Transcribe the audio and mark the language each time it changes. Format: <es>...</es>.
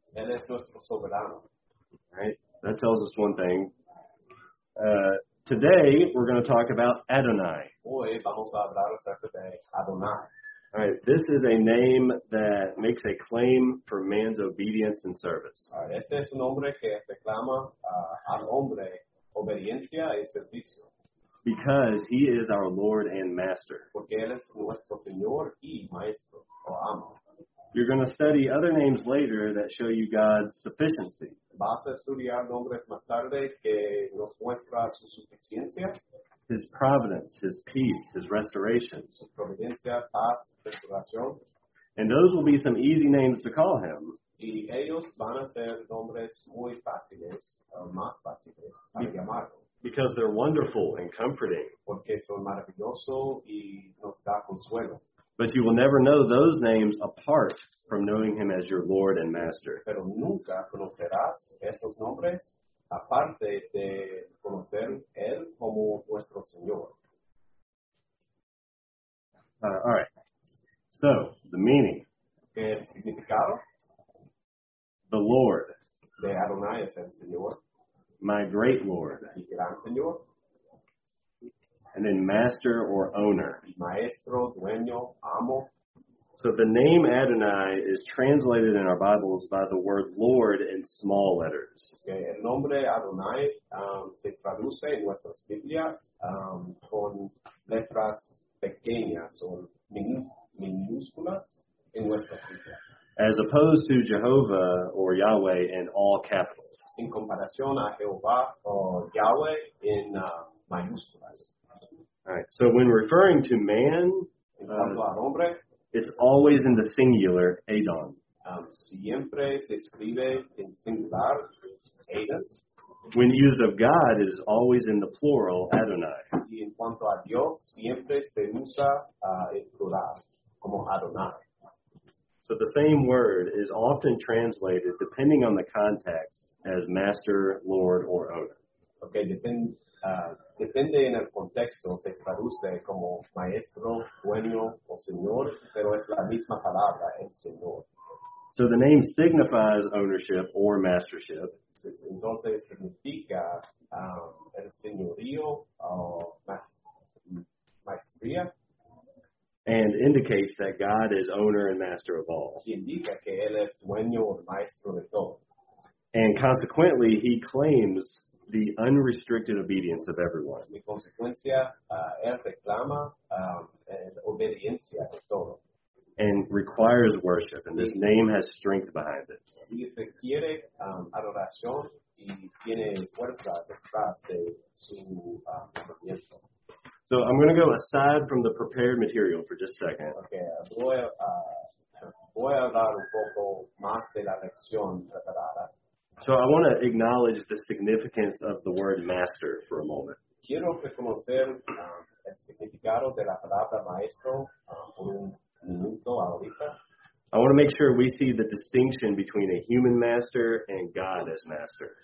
<es>Él es nuestro soberano.</es> <en>Right? That tells us one thing. Today, we're going to talk about Adonai.</en> <es>Hoy vamos a hablar acerca de Adonai.</es> <en>All right, this is a name that makes a claim for man's obedience and service.</en> <es>All right, este es un nombre que reclama al hombre obediencia y servicio.</es> <en>Because He is our Lord and Master.</en> <es>Porque él es nuestro Señor y Maestro, o amo.</es> <en>You're going to study other names later that show you God's sufficiency.</en> <es>Vas a estudiar nombres más tarde que nos muestra su suficiencia.</es> <en>His providence, His peace, His restoration.</en> <es>Su providencia, paz, restauración.</es> <en>And those will be some easy names to call Him.</en> <es>Y ellos van a ser nombres muy fáciles, más fáciles para llamarlo.</es> <en>Because they're wonderful and comforting.</en> <es>Porque son maravillosos y nos da consuelo.</es> <en>But you will never know those names apart from knowing Him as your Lord and Master.</en> <es>Pero nunca conocerás esos nombres aparte de conocer Él como nuestro Señor.</es> <en>Alright. So, the meaning.</en> <es>El significado.</es> <en>The Lord.</en> <es>De Adonai es el Señor.</es> <en>My great Lord.</en> <es>Y gran Señor.</es> <en>And then master or owner.</en> <es>Maestro, dueño, amo.</es> <en>So the name Adonai is translated in our Bibles by the word Lord in small letters.</en> <es>Okay, el nombre Adonai se traduce en nuestras Biblias con letras pequeñas o minúsculas en nuestras Biblias.</es> <en>As opposed to Jehovah or Yahweh in all capitals.</en> <es>En comparación a Jehová o Yahweh en mayúsculas.</es> <en>Alright, so when referring to man,</en> <es>hombre,</es> <en>it's always in the singular, Adon.</en> <es>Siempre se escribe en singular, Adon.</es> <en>When used of God, it is always in the plural, Adonai.</en> <es>Y en cuanto a Dios, siempre se usa el plural, como Adonai.</es> <en>So the same word is often translated, depending on the context, as master, lord, or owner.</en> <es>Okay, depende en el contexto, se traduce como maestro, dueño o señor, pero es la misma palabra, el señor.</es> <en>So the name signifies ownership or mastership.</en> <es>Entonces significa el señorío o maestría.</es> <en>And indicates that God is owner and master of all.</en> <es>Y indica que él es dueño o maestro de todo.</es> <en>And consequently, he claims the unrestricted obedience of everyone.</en> <es>En consecuencia, él reclama la obediencia de todo.</es> <en>And requires worship, and this name has strength behind it.</en> <es>Y requiere adoración y tiene fuerza detrás de su movimiento.</es> <en>So I'm going to go aside from the prepared material for just a second.</en> <es>Okay, voy a dar un poco más de la lección preparada.</es> <en>So I want to acknowledge the significance of the word master for a moment.</en> <es>Quiero reconocer el significado de la palabra maestro por un minuto ahorita.</es> <en>I want to make sure we see the distinction between a human master and God as master.</en>